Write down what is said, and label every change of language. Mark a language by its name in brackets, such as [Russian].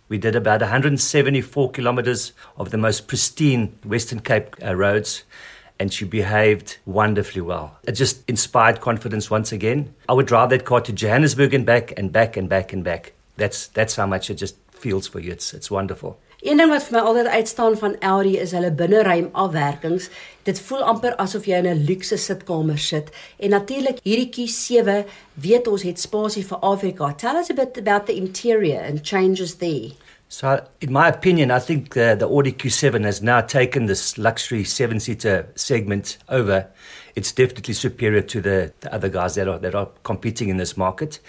[English] We did about 174 kilometers of the most pristine Western Cape roads. And she behaved wonderfully well. It just inspired confidence once again. I would drive that car to Johannesburg and back and back and back and back. That's how much it just feels for you. It's wonderful. [Afrikaans] Een ding wat vir my altyd uitstaan van Audi is hulle binneruim afwerkings. Dit voel amper asof jy in 'n luxe sitkamer sit. En natuurlik hierdie Q7, weet ons het spasie vir Afrika. [English] Tell us a bit about the interior and changes there. So in my opinion, I think the Audi Q7 has now taken this luxury 7-seater segment over. It's definitely superior to the other guys that are competing in this market.